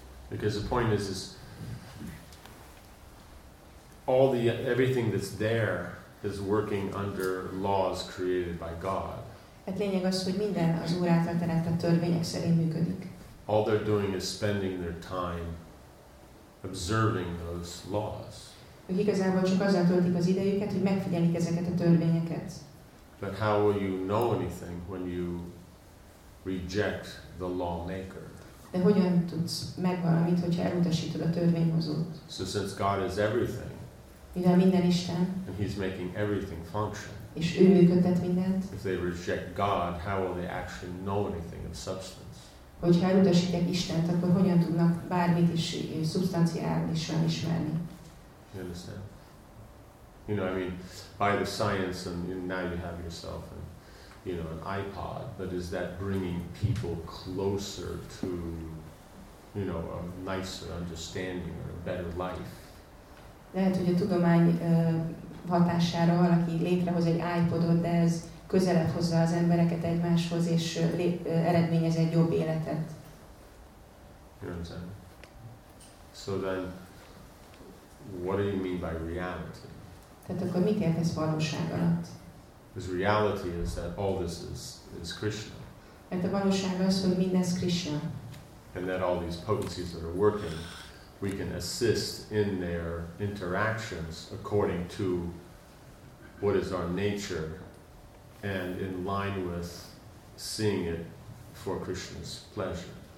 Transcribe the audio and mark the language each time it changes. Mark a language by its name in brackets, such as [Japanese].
[English] Because the point is all the everything that's there is working under laws created by God. [Hungarian] Hát lényeg az, hogy minden az Úr által teremtett törvények szerint működik. [English] All they're doing is spending their time observing those laws. [Hungarian] Ők igazából csak azzal töltik az idejüket, hogy megfigyelik ezeket a törvényeket. [English] But how will you know anything when you reject the lawmaker? [Hungarian] De hogyan tudsz meg valamit, hogyha elutasítod a törvényhozót? [English] So since God is everything, [Hungarian] mivel minden Isten, [English] and he's making everything function, [Hungarian] és ő működtet mindent. [English] If they reject God, how will they actually know anything of substance? [Hungarian] Hogyha elutasítják Istent, akkor hogyan tudnak bármit is szubstanciálisan ismerni? [English] You understand? You know, I mean, by the science, and now you have yourself, and you know, an iPod. But is that bringing people closer to, you know, a nicer understanding or a better life? [Hungarian] Lehet, hogy a tudomány hatására valaki létrehoz egy iPodot, de ez közelebb hozza az embereket egymáshoz, és eredményez egy jobb életet. [English] You know what I'm saying? So then, what do you mean by reality? [Hungarian] Tehát akkor mit értesz valóság alatt? [English] Because reality is that all this is Krishna. [Hungarian] Mert a valóság az, hogy mindez Krishna. [English] And that all these potencies that are working, we can assist in their interactions according to what is our nature and in line with seeing it for Krishna's pleasure.